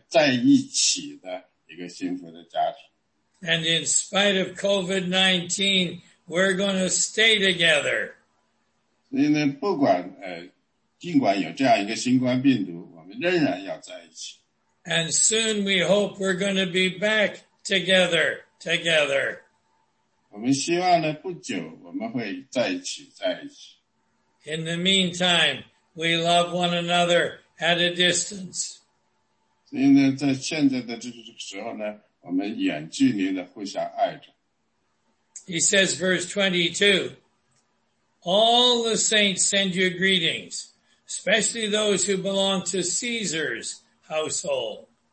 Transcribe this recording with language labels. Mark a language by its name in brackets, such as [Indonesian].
[Chinese] 基督徒呢,是一个非常大的,在一起的一个幸福的家庭。 [English] And in spite of COVID-19, we're going to stay together. [Chinese] 所以呢,尽管有这样一个新冠病毒,我们仍然要在一起。 [English] And soon we hope we're going to be back together, together. [Chinese] 我们希望呢,不久我们会在一起,在一起。 [English] In the meantime, we love one another at a distance. [Chinese] 所以呢,在现在的这个时候呢,我们远距离的互相爱着。 [English] He says, verse 22, all the saints send you greetings, especially those who belong to Caesar's household.